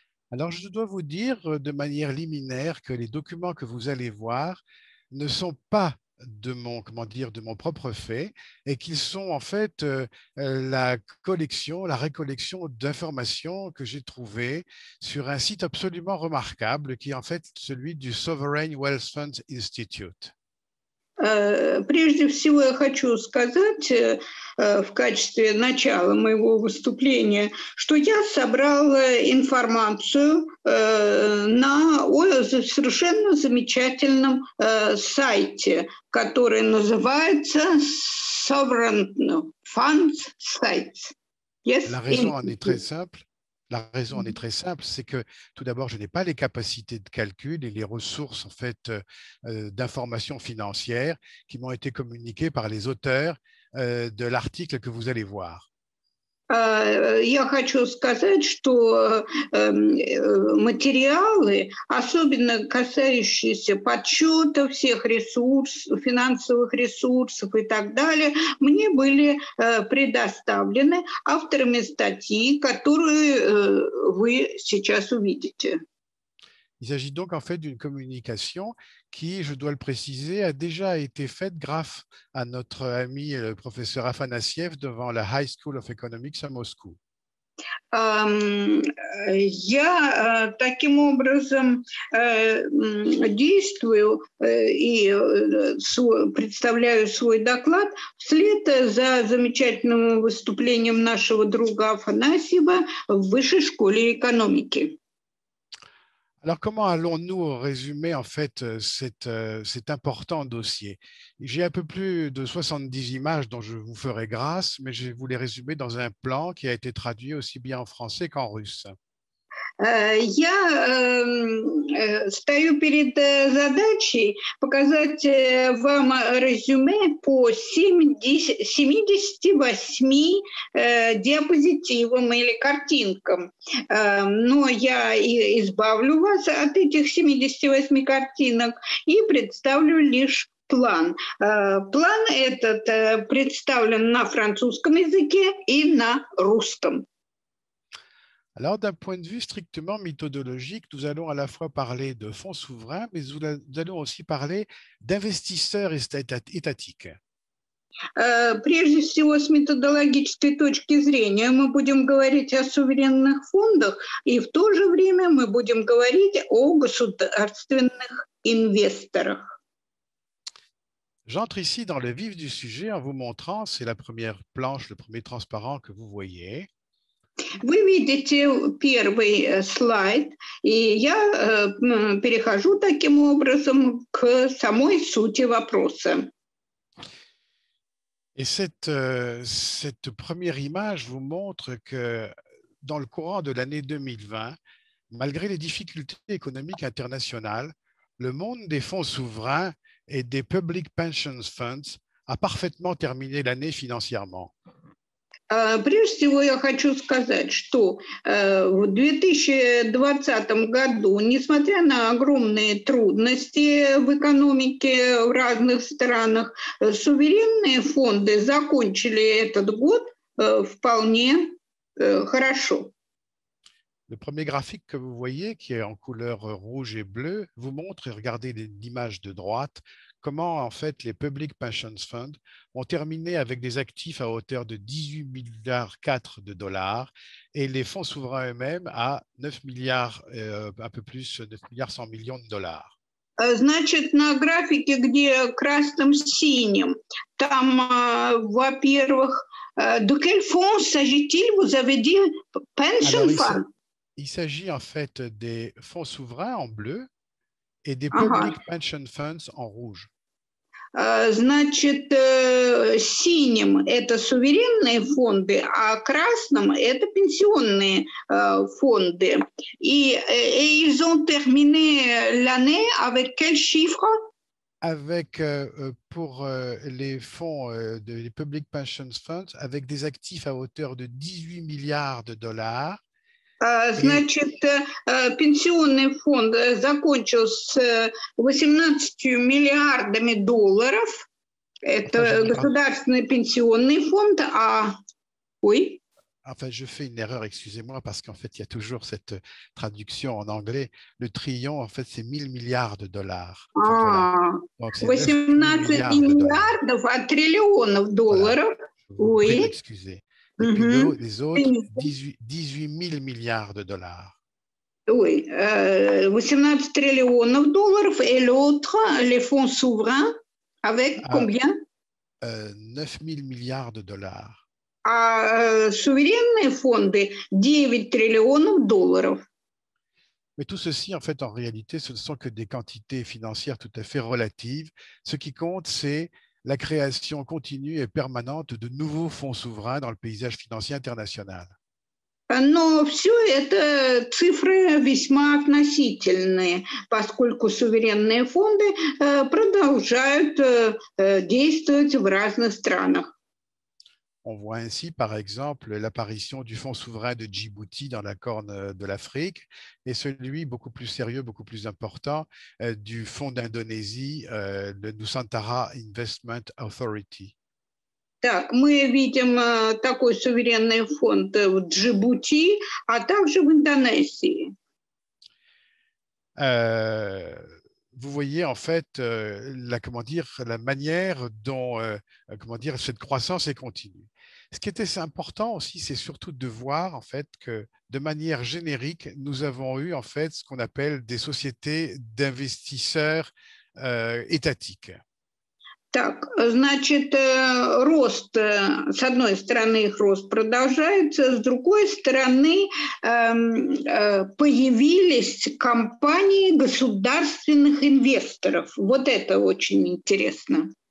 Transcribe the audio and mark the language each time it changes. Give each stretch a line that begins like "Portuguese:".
French: Alors, je dois vous dire de manière liminaire que les documents que vous allez voir ne sont pas de mon, comment dire, de mon propre fait et qu'ils sont en fait la collection, la récollection d'informations que j'ai trouvées sur un site absolument remarquable qui est en fait celui du Sovereign Wealth Fund Institute.
Russian: Прежде всего, я хочу сказать в качестве начала моего выступления, что я собрала информацию на совершенно замечательном сайте, который называется Sovereign Funds Sites.
French: La
English: Yes,
French: raison en est très
English: Institute.
French: simple. La raison en est très simple, c'est que tout d'abord, je n'ai pas les capacités de calcul et les ressources en fait d'informations financières qui m'ont été communiquées par les auteurs de l'article que vous allez voir.
Russian: Я хочу сказать, что материалы, особенно касающиеся подсчета всех ресурсов, финансовых ресурсов и так далее, мне были предоставлены авторами статьи, которые вы сейчас увидите.
French: Il s'agit donc en fait d'une communication qui, je dois le préciser, a déjà été faite grâce à notre ami le professeur Afanassiev devant la High School of Economics à Moscou.
Russian: Я таким образом действую и представляю свой доклад вслед за замечательным выступлением нашего друга Афанасьева в Высшей школе экономики.
French: Alors, comment allons-nous résumer en fait cet important dossier? J'ai un peu plus de 70 images dont je vous ferai grâce, mais je vais vous les résumer dans un plan qui a été traduit aussi bien en français qu'en russe.
Russian: Я стою перед задачей показать вам резюме по 78 диапозитивам или картинкам. Но я избавлю вас от этих 78 картинок и представлю лишь план. План этот представлен на французском языке и на русском.
French: Alors, d'un point de vue strictement méthodologique, nous allons à la fois parler de fonds souverains, mais nous allons aussi parler d'investisseurs étatiques.
Russian: Прежде всего, с методологической точки зрения, мы будем говорить о суверенных фондах, и в то же время мы будем говорить о государственных инвесторах.
French: J'entre ici dans le vif du sujet en vous montrant, c'est la première planche, le premier transparent que vous voyez.
Russian: Вы видите первый слайд, и я перехожу таким образом к самой сути вопроса.
French: Et cette première image vous montre que dans le courant de l'année 2020, malgré les difficultés économiques internationales, le monde des fonds souverains et des public pension funds a parfaitement terminé l'année financièrement.
Russian: Прежде всего, я хочу сказать, что в 2020 году, несмотря на огромные трудности в экономике в разных странах, суверенные фонды закончили этот год вполне хорошо.
French: Le premier graphique que vous voyez, qui est en couleur rouge et bleue, vous montre, et regardez l'image de droite, comment en fait les public pension funds ont terminé avec des actifs à hauteur de 18 milliards 4 de dollars et les fonds souverains eux-mêmes à 9 milliards, un peu plus, 9 milliards 100 millions de dollars.
Russian: Значит, на графике, где красным-синим, там, во-первых,
French: de quel fonds s'agit-il? Vous avez dit pension Alors, fund. il s'agit en fait des fonds souverains en bleu et des public pension funds en rouge.
Russian: Значит, синим – это суверенные фонды, а красным – это пенсионные фонды.
French: Et ils ont terminé l'année avec quel chiffre? Avec pour les fonds de les public pensions funds, avec des actifs à hauteur de 18 milliards de dollars.
Russian: Значит, пенсионный фонд закончил с 18 миллиардами долларов. Это enfin, государственный пенсионный фонд, а...
French: Oui. Enfin, je fais une erreur, excusez-moi, parce qu'en fait, il y a toujours cette traduction en anglais. Le trillion, en fait, c'est 1 000 milliards de dollars. Ah, donc, 18 milliards de dollars,
Russian: триллионов долларов.
French: Voilà. Oui. Excusez. Et puis mm-hmm. les autres, 18 000 milliards de dollars. Oui, 18 trillions de dollars. Et l'autre, les fonds souverains, avec combien? 9 000 milliards de dollars. Souverains fonds, 9 trillions de dollars. Mais tout ceci, en fait, en réalité, ce ne sont que des quantités financières tout à fait relatives. Ce qui compte, c'est la création continue et permanente de nouveaux fonds souverains dans le paysage financier international.
Russian: Но все это цифры весьма относительные, поскольку суверенные фонды продолжают действовать в разных странах.
French: On voit ainsi, par exemple, l'apparition du fonds souverain de Djibouti dans la Corne de l'Afrique et celui, beaucoup plus sérieux, beaucoup plus important, du fonds d'Indonésie, le Nusantara Investment Authority.
Russian: Так, мы видим такой суверенный фонд в Джибути, а также в Индонезии.
French: Vous voyez en fait la manière dont cette croissance est continue. Ce qui était important aussi, c'est surtout de voir en fait que de manière générique, nous avons eu en fait ce qu'on appelle des sociétés d'investisseurs étatiques.
Russian: Так, значит, рост, с одной стороны, их рост продолжается, с другой стороны, появились компании государственных инвесторов. Вот это очень интересно.